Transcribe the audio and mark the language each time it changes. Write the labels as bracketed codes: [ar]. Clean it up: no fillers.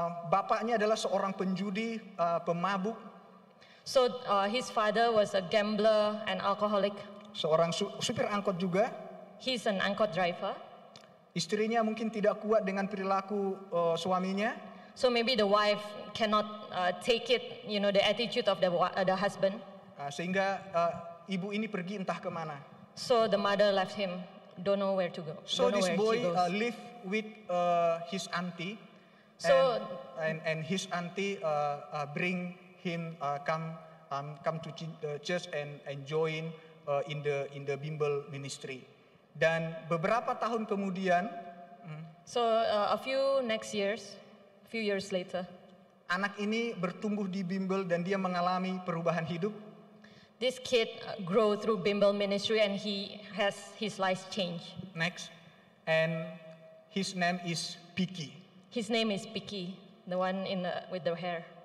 [id] Bapaknya adalah seorang penjudi, pemabuk. [en] So his father was a gambler and alcoholic. [id] Seorang supir angkot juga. [en] He's an angkot driver. [id] Istrinya mungkin tidak kuat dengan perilaku suaminya. [en] So maybe the wife cannot take it, you know, the attitude of the husband. [id] Sehingga ibu ini pergi entah kemana. [en] So the mother left him, don't know where to go. So this boy live with his auntie. So and his auntie bring him come to the church and join in the Bimbel ministry. [id] Dan beberapa tahun kemudian, [en] so a few years later, [id] anak ini bertumbuh di Bimbel dan dia mengalami perubahan hidup. [en] This kid grow through Bimbel ministry and he has his life change. Next, and his name is Piki. His name is Piki, the one in the, with the hair.